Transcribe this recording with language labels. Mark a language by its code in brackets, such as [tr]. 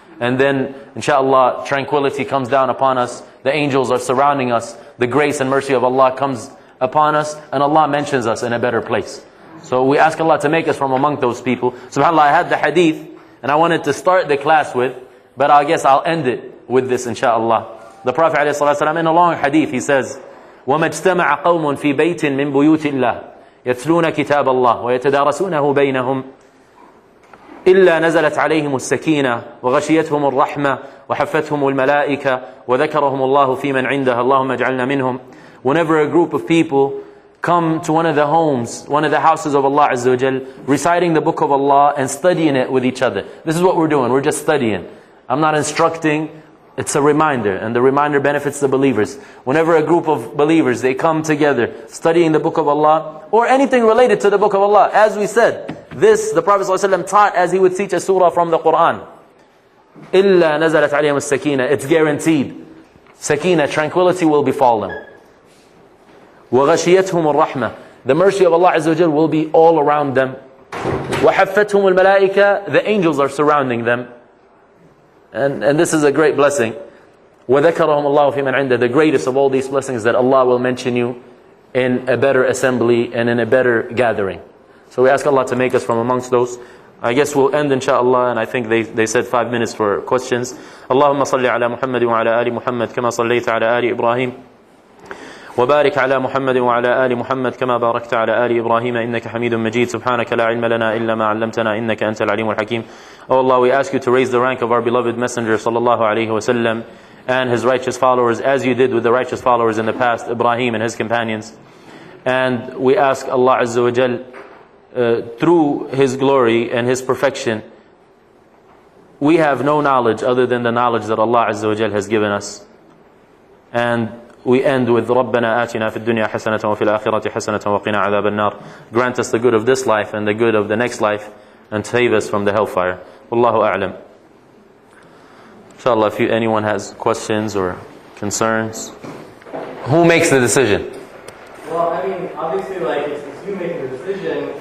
[en] And then, inshallah, tranquility comes down upon us. The angels are surrounding us. The grace and mercy of Allah comes upon us. And Allah mentions us in a better place. So we ask Allah to make us from among those people. SubhanAllah, I had the hadith, and I wanted to start the class with, but I guess I'll end it with this, inshallah. The Prophet ﷺ, in a long hadith, he says, [ar] وَمَجْتَمَعَ قَوْمٌ فِي بَيْتٍ مِّن بُيُوتِ اللَّهِ يَتْلُونَ كِتَابَ اللَّهِ وَيَتَدَارَسُونَهُ بَيْنَهُمْ إِلَّا نَزَلَتْ عَلَيْهِمُ السَّكِينَةُ وَغَشِيَتْهُمُ الرَّحْمَةُ وَحَفَّتْهُمُ الْمَلَائِكَةُ وَذَكَرَهُمُ اللَّهُ فِي مَنْ عِنْدَهَا اللَّهُمَّ اجْعَلْنَا مِنْهُمْ. [en] Whenever a group of people come to one of the homes, one of the houses of Allah Azza wa Jal, reciting the book of Allah and studying it with each other. This is what we're doing. We're just studying. I'm not instructing. It's a reminder, and the reminder benefits the believers. Whenever a group of believers, they come together studying the book of Allah, or anything related to the book of Allah. As we said, this the Prophet ﷺ taught as he would teach a surah from the Qur'an. [ar] إِلَّا نَزَلَتْ عَلَيْهِمُ السَّكِينَةِ. [en] It's guaranteed. Sakina, tranquility will befall them. [ar] وغشيتهم الرحمة, [en] the mercy of Allah Azza wa Jalla will be all around them. [ar] وحفتهم الملائكة, [en] the angels are surrounding them. And this is a great blessing. [ar] وذكرهم الله في من عنده, [en] the greatest of all these blessings that Allah will mention you in a better assembly and in a better gathering. So we ask Allah to make us from amongst those. I guess we'll end inshallah, and I think they said 5 minutes for questions. [ar] اللهم صل على محمد وعلى آل محمد كما صليت على آل إبراهيم وبارك على محمد وعلى آل محمد كما باركت على آل إبراهيم إنك حميد مجيد سبحانك لا علم لنا إلا ما علمتنا إنك أنت العليم الحكيم. [en] Oh Allah, we ask you to raise the rank of our beloved messenger sallallahu alayhi wa sallam and his righteous followers as you did with the righteous followers in the past, Ibrahim and his companions. And we ask Allah Azza wa Jal, through his glory and his perfection, we have no knowledge other than the knowledge that Allah Azza wa Jal has given us. And we end with [ar] رَبَّنَا آتِنَا فِي الدُّنْيَا حَسَنَةً وَفِي الْآخِرَةِ حَسَنَةً وَقِنَا عَذَابَ النَّارِ. [en] Grant us the good of this life and the good of the next life and save us from the hellfire. Wallahu a'lam. InshaAllah, if anyone has questions or concerns, who makes the decision? Well, I mean, obviously, like, it's you making the decision.